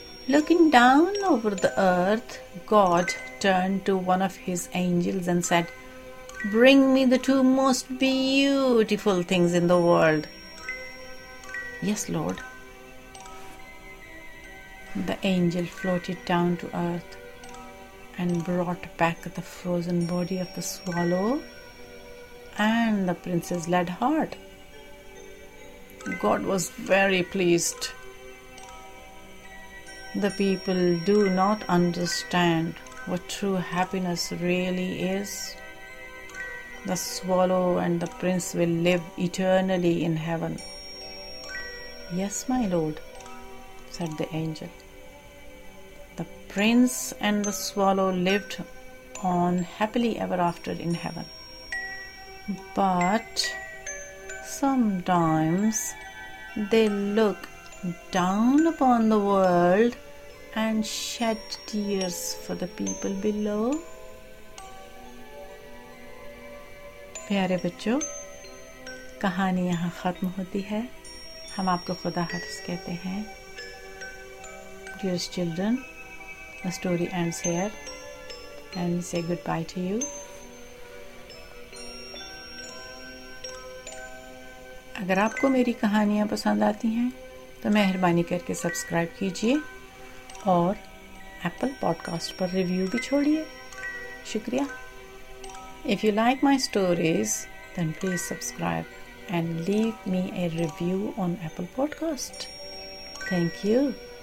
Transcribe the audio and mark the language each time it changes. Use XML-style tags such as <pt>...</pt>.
<en>Looking down over the earth, God turned to one of his angels and said, "Bring me the two most beautiful things in the world." "Yes, Lord." The angel floated down to earth and brought back the frozen body of the swallow and the prince's lead heart. God was very pleased. The people do not understand what true happiness really is. The swallow and the prince will live eternally in heaven. "Yes, my lord," said the angel. The prince and the swallow lived on happily ever after in heaven. But sometimes they look down upon the world and shed tears for the people below.</en> <ur>پیارے بچوں، کہانی یہاں ختم ہوتی ہے۔ ہم آپ کو خدا حافظ کہتے ہیں۔</ur> <en>Dearest children, the story ends here and say goodbye to you.</en> <ur>اگر آپ کو میری کہانیاں پسند آتی ہیں تو مہربانی کر کے سبسکرائب کیجیے اور ایپل پوڈکاسٹ پر ریویو بھی چھوڑیے۔ شکریہ۔</ur> <en>If you like my stories, then please subscribe. and leave me a review on Apple Podcast. Thank you.</en>